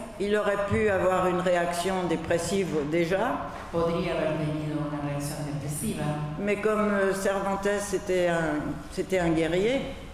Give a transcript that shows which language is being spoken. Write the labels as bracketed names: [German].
[French] il aurait pu avoir une réaction dépressive déjà. [Spanish] Podría haber tenido una reacción depresiva. [French] Mais comme Cervantes c'était un guerrier.